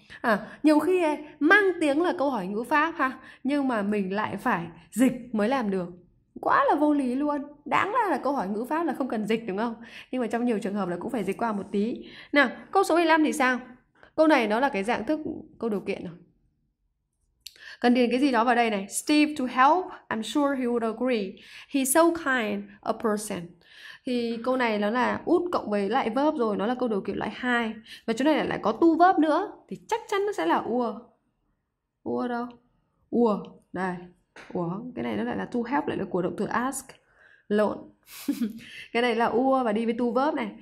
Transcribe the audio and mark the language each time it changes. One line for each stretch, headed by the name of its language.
Vietnamese: À, nhiều khi ấy, mang tiếng là câu hỏi ngữ pháp ha, nhưng mà mình lại phải dịch mới làm được. Quá là vô lý luôn. Đáng ra là câu hỏi ngữ pháp là không cần dịch đúng không? Nhưng mà trong nhiều trường hợp là cũng phải dịch qua một tí. Nào, câu số 15 thì sao? Câu này nó là cái dạng thức câu điều kiện rồi. Cần điền cái gì đó vào đây này.
English: Steve to help, I'm sure he would agree. He's so kind a person.
Vietnamese: Thì câu này nó là
English: would
Vietnamese: cộng với lại verb rồi, nó là câu điều kiện loại 2. Và chỗ này lại có
English: to verb
Vietnamese: nữa thì chắc chắn nó sẽ là were. Were đâu? Were. Đây. Were. Cái này nó lại là
English: to help,
Vietnamese: lại là của động từ ask. Lộn. Cái này là were và đi với
English: to verb
Vietnamese: này.